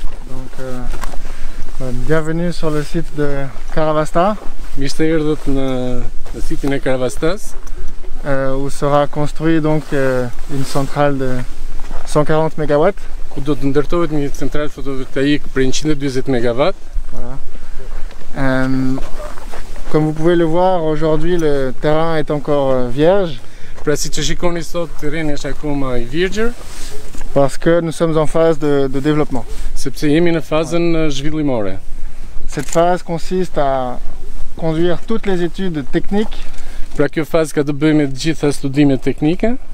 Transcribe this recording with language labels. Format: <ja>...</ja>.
<fr>Donc, bienvenue sur le site de Karavastas.</fr> <sq>Mishte erdhët në sitin e Karavastas,</sq> <fr>où sera construit donc une centrale de 140 MW.</fr> <sq>Ku do të ndërtohet një central fotovoltaik për 140 MW.</sq> <fr>Voilà. Comme vous pouvez le voir, aujourd'hui le terrain est encore vierge.</fr> <sq>Pra si që shikoni sot, terreni është akoma i virgjër.</sq> <fr>Parce que nous sommes en phase de développement.</fr> <sq>Sepse jemi në fazën zhvillimore.</sq> <fr>Cette phase consiste à conduire toutes les études techniques.</fr> <sq>Pra kjo fazë ka të bëjë me të gjitha studimet teknike.</sq>